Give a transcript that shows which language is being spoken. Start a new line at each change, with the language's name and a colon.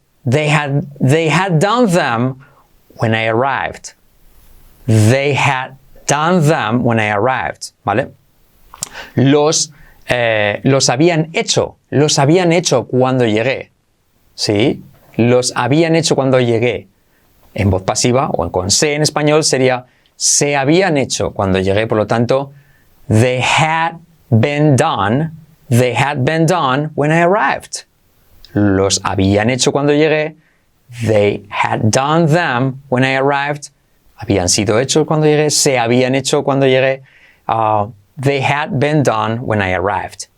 English: They had done them when I arrived. They had done them when I arrived.
Spanish: ¿Vale? Los habían hecho. Los habían hecho cuando llegué. ¿Sí? Los habían hecho cuando llegué. En voz pasiva o con se en español sería se habían hecho cuando llegué. Por lo tanto,
English: they had been done. They had been done when I arrived.
Spanish: Los habían hecho cuando llegué.
English: They had done them when I arrived.
Spanish: Habían sido hechos cuando llegué. Se habían hecho cuando llegué.
English: They had been done when I arrived.